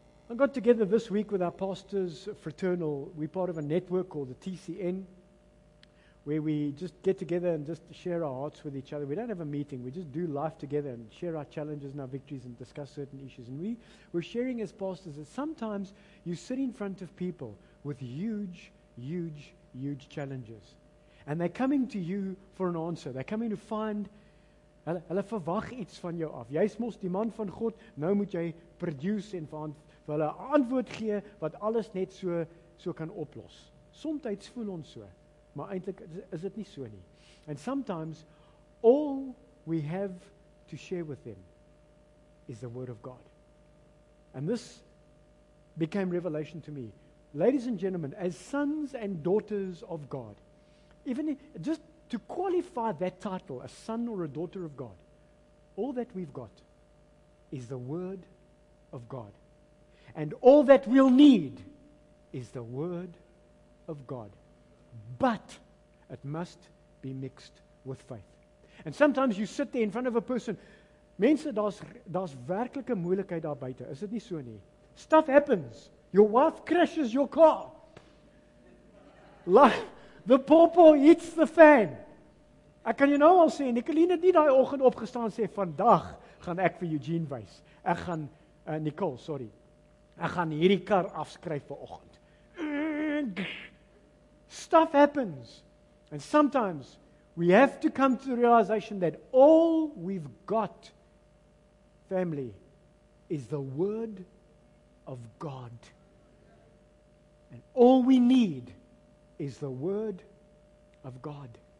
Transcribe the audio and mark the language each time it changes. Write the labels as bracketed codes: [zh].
[en] I got together this week with our pastors fraternal. We're part of a network called the TCN, where we just get together and just share our hearts with each other. We don't have a meeting. We just do life together and share our challenges and our victories and discuss certain issues. And we're sharing as pastors that sometimes you sit in front of people with huge, huge, huge challenges. And they're coming to you for an answer. They're coming to find, [af] hulle verwag iets van jou af. Jy is mos die man van God, nou moet jy produce en vir hulle antwoord gee wat alles net so kan oplos. Somtijds voel ons so. Maar eintlik is dit nie so nie. [en] And sometimes, all we have to share with them is the Word of God. And this became revelation to me. Ladies and gentlemen, as sons and daughters of God, even just to qualify that title, a son or a daughter of God, all that we've got is the Word of God. And all that we'll need is the Word of God. But it must be mixed with faith. And sometimes you sit there in front of a person. [af] Mense, daar's werklike moeilikheid daar buite. Is dit nie so nie? [en] Stuff happens. Your wife crashes your car. The popo hits the fan. [af] Ek kan jou nou al sê, Nicoline het nie die oggend opgestaan sê, vandag gaan ek vir Eugene wys. Ek gaan, Nicole, sorry. Ek gaan hierdie kar afskryf vir oggend. [en] Stuff happens. And sometimes we have to come to the realization that all we've got, family, is the Word of God. And all we need is the Word of God.